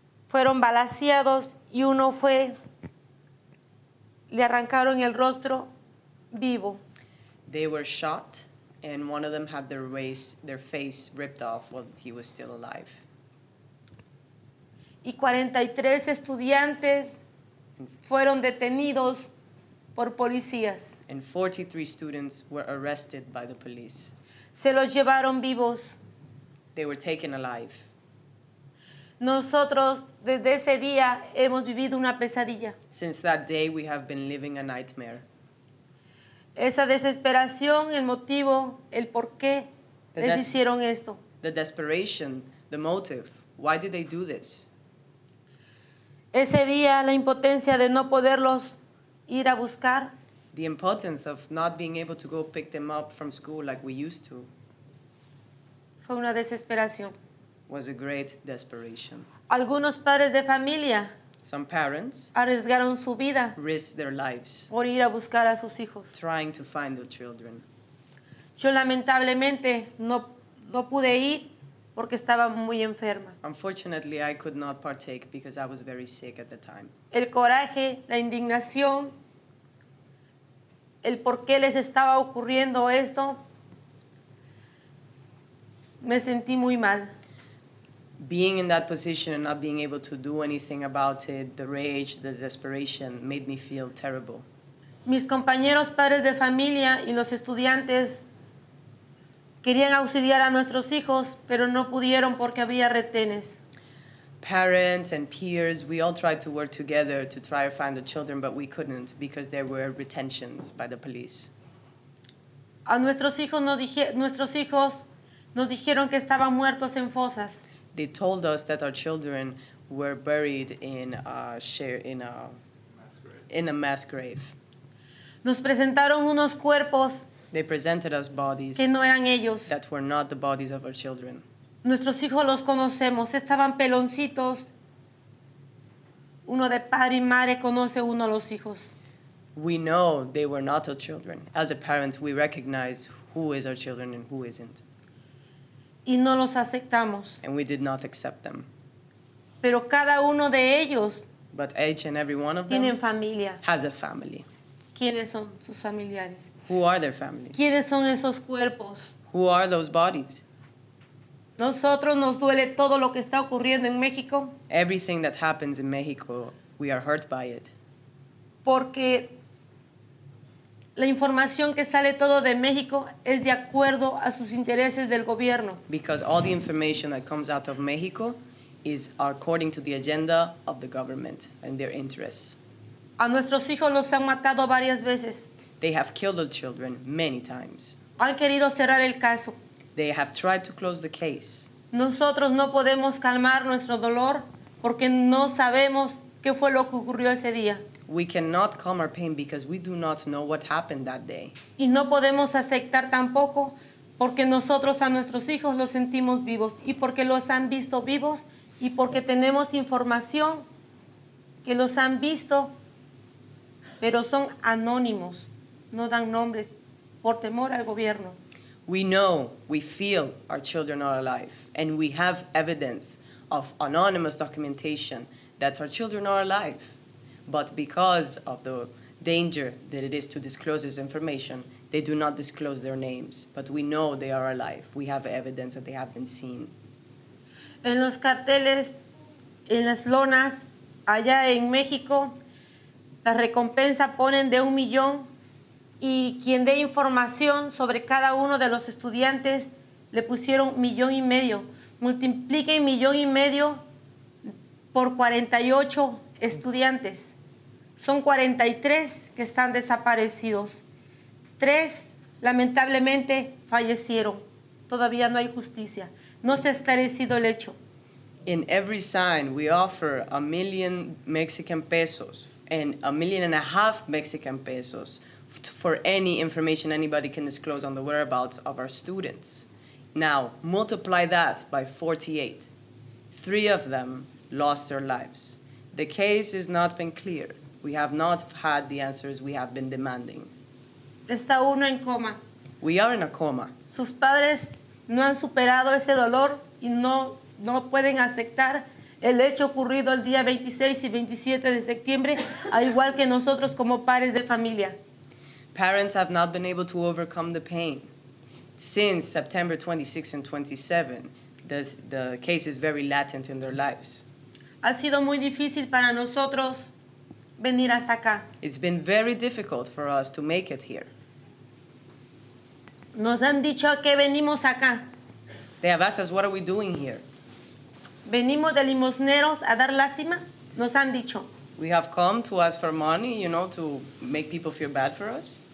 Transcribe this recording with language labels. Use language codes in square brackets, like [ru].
[es] Fueron balaceados y uno fue, le arrancaron el rostro vivo. [en] They were shot and one of them had their face ripped off while he was still alive. [es] Y 43 estudiantes fueron detenidos por policías. [en] And 43 students were arrested by the police. [es] Se los llevaron vivos. [en] They were taken alive. [es] Nosotros desde ese día hemos vivido una pesadilla. [en] Since that day we have been living a nightmare. [es] Esa desesperación, el motivo, el por qué les hicieron esto. [en] The desperation, the motive, why did they do this? [es] Ese día la impotencia de no poderlos ir a buscar. [en] The impotence of not being able to go pick them up from school like we used to. [es] Fue una desesperación. [en] Was a great desperation. [es] Algunos padres de familia. [en] Some parents. [es] Arriesgaron su vida. [en] Risked their lives. [es] Por ir a buscar a sus hijos. [en] Trying to find their children. [es] Yo lamentablemente no pude ir porque estaba muy enferma. [en] Unfortunately, I could not partake because I was very sick at the time. [es] El coraje, la indignación, el por qué les estaba ocurriendo esto, me sentí muy mal. [en] Being in that position and not being able to do anything about it, the rage, the desperation, made me feel terrible. [es] Mis compañeros padres de familia y los estudiantes querían auxiliar a nuestros hijos, pero no pudieron porque había retenes. [en] Parents and peers, we all tried to work together to try to find the children, but we couldn't because there were retentions by the police. [es] A nuestros hijos nos dijeron que estaban muertos en fosas. [en] They told us that our children were buried in a mass grave. [es] Nos presentaron unos cuerpos. [en] They presented us bodies [es] que no eran ellos. [en] That were not the bodies of our children. [es] Nuestros hijos los conocemos, estaban peloncitos. Uno de padre y madre conoce uno a los hijos. [en] We know they were not our children. As a parent, we recognize who is our children and who isn't. [es] Y no los aceptamos. [en] And we did not accept them. [es] Pero cada uno de ellos. [en] But each and every one of [es] tienen Tienen familia. [en] Has a family. [es] ¿Quiénes son sus familiares? [en] Who are their family? [es] ¿Quiénes son esos cuerpos? [en] Who are those bodies? [es] Nosotros nos duele todo lo que está ocurriendo en México. [en] Everything that happens in Mexico, we are hurt by it. [es] Porque la información que sale todo de México es de acuerdo a sus intereses del gobierno. [en] Because all the information that comes out of Mexico is according to the agenda of the government and their interests. [es] A nuestros hijos los han matado varias veces. [en] They have killed our children many times. [es] Han querido cerrar el caso. [en] They have tried to close the case. [es] Nosotros no podemos calmar nuestro dolor porque no sabemos qué fue lo que ocurrió ese día. [en] We cannot calm our pain because we do not know what happened that day. [es] Y no podemos aceptar tampoco porque nosotros a nuestros hijos los sentimos vivos y porque los han visto vivos y porque tenemos información que los han visto pero son anónimos, no dan nombres por temor al gobierno. [en] We know, we feel our children are alive, and we have evidence of anonymous documentation that our children are alive. But because of the danger that it is to disclose this information, They do not disclose their names, but we know they are alive. We have evidence that they have been seen. [es] En los carteles, en las lonas, allá en México, la recompensa ponen de 1,000,000, y quien dé información sobre cada uno de los estudiantes, le pusieron 1,500,000. Multipliquen 1,500,000 por 48 estudiantes. Son 43 que están desaparecidos. 3, lamentablemente, fallecieron. Todavía no hay justicia. No se ha esclarecido el hecho. [en] In every sign, we offer 1,000,000 Mexican pesos and 1,500,000 Mexican pesos for any information anybody can disclose on the whereabouts of our students. Now, multiply that by 48. 3 of them lost their lives. The case has not been clear. We have not had the answers we have been demanding. [es] Está uno en coma. [en] We are in a coma. [es] Sus padres no han superado ese dolor y no pueden aceptar el hecho ocurrido el día 26 y 27 de septiembre, al igual que nosotros como padres de familia. [en] Parents have not been able to overcome the pain. Since September 26 and 27, the case is very latent in their lives. [es] Ha sido muy difícil para nosotros venir hasta acá. [en] It's been very difficult for us to make it here. [es] Nos han dicho que venimos acá. [en] They have asked us, what are we doing here? [es] Venimos de limosneros a dar lástima, nos han dicho. [en] We have come to ask for money, you know, to make people feel bad for us.